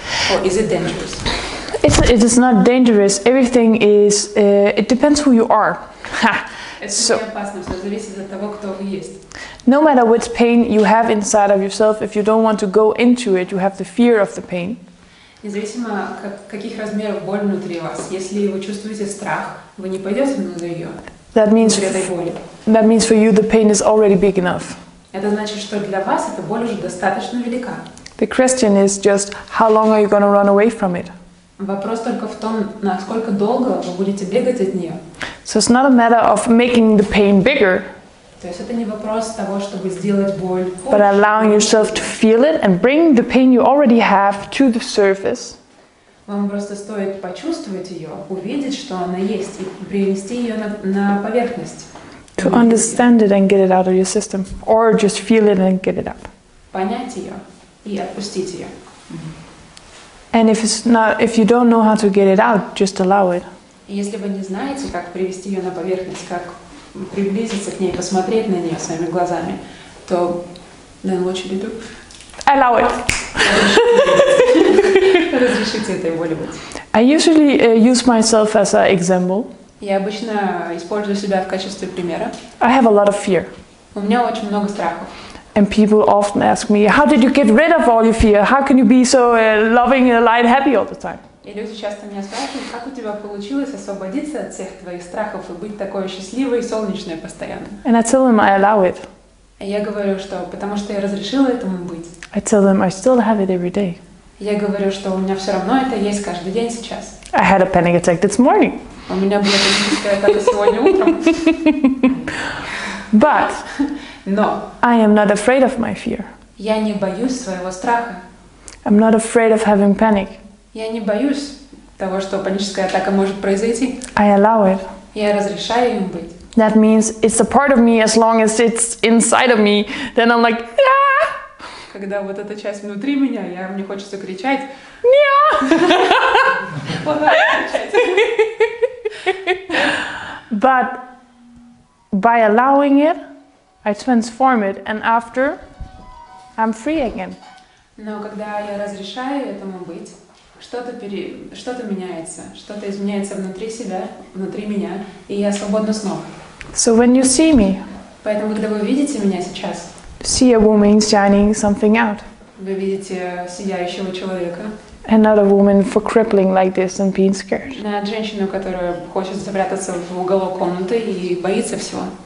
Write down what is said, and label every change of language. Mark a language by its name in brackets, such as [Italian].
[English] Or is it dangerous? It is not dangerous. Everything is... it depends who you are. So, no matter which pain you have inside of yourself, if you don't want to go into it, you have the fear of the pain. [Russian] Независимо каких размеров боль внутри вас, если вы чувствуете страх, вы не пойдете внутрь ее. [English] That means for you the pain is already big enough. [Russian] Это значит, что для вас эта боль уже достаточно велика. [English] The question is just how long are you going to run away from it? [Russian] Вопрос только в том, насколько долго вы будете бегать от нее. [English] So it's not a matter of making the pain bigger. [Russian] То есть это не вопрос того, чтобы сделать боль хуже. [English] But allowing yourself to feel it and bring the pain you already have to the surface. [Russian] Вам просто стоит почувствовать ее, увидеть, что она есть, и привести ее на поверхность. [English] To understand it and get it out of your system, or just feel it and get it up. [Russian] Понять ее и отпустить ее. [English] And if you don't know how to get it out, just allow it. [Russian] И если вы не знаете, как привести ее на поверхность, как приблизиться к ней, посмотреть на нее своими глазами, то [English] then what should you do? Allow it. [Russian] Разрешите этой боли быть. [English] I usually use myself as an example. [Russian] Я обычно использую себя в качестве примера. [English] I have a lot of fear. [Russian] У меня очень много страхов. [English] And people often ask me, how did you get rid of all your fear? How can you be so loving, light, happy all the time? [Russian] И люди часто меня спрашивают, как у тебя получилось освободиться от всех твоих страхов и быть такой счастливой и солнечной постоянно? [English] And I tell them I allow it. [Russian] И я говорю, что потому что я разрешила этому быть. [English] I tell them I still have it every day. [Russian] Я говорю, что у меня все равно это есть каждый день сейчас. [English] I had a panic attack this morning. [Russian] У меня была паническая атака сегодня утром. [English] But no. I am not afraid of my fear. [Russian] Я не боюсь своего страха. [English] I'm not afraid of having panic. [Russian] Я не боюсь того, что паническая атака может произойти. [English] I allow it. [Russian] Я разрешаю им быть. [English] That means it's a part of me as long as it's inside of me. Then I'm like, ah! [Russian] Когда вот эта часть внутри меня, я мне хочется кричать. Неа! Вот надо кричать. [English] But by allowing it, I transform it, and after, I'm free again. [Russian] Но когда я разрешаю этому быть, что-то меняется, что-то изменяется внутри себя, внутри меня, и я свободна снова. [English] So when you see me, [Russian] поэтому когда вы видите меня сейчас, [English] see a woman shining something out. [Russian] Вы видите сияющего человека. [English] And not a woman for crippling like this and being scared. [Russian] На женщину, которая хочет спрятаться в уголок комнаты и боится всего.